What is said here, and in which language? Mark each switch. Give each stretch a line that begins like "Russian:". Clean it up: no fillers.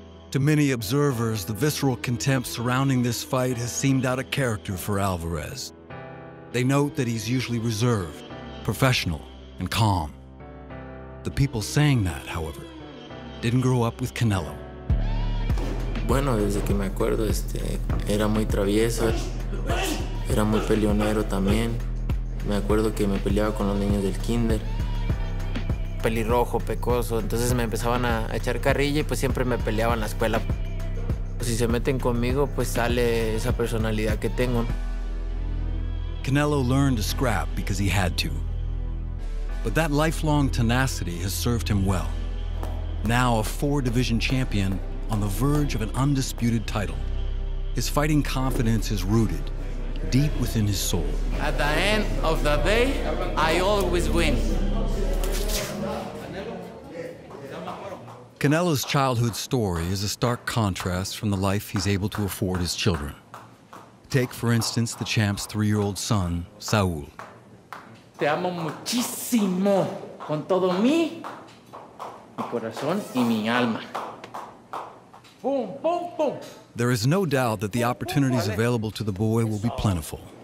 English: To many observers, the visceral contempt surrounding this fight has seemed out of character for Alvarez. They note that he's usually reserved, professional, and calm. The people saying that, however, didn't grow up with Canelo.
Spanish: Bueno, desde que me acuerdo, era muy travieso. Era muy peleonero también. Me acuerdo que me peleaba con los niños del kinder. Pelirrojo, pecoso. Entonces me empezaban a echar carrilla y pues siempre me peleaba en la escuela. Si se meten conmigo, pues sale esa personalidad que tengo.
English: Canelo learned to scrap because he had to. But that lifelong tenacity has served him well. Now a four-division champion on the verge of an undisputed title. His fighting confidence is rooted deep within his soul. At the end of the day, I always win. Canelo's childhood story is a stark contrast from the life he's able to afford his children. Take, for instance, the champ's three-year-old son, Saul.
Spanish: Te amo muchísimo, con todo mi corazón y mi alma.
English: Boom, boom, boom. There is no doubt that the opportunities available to the boy will be plentiful.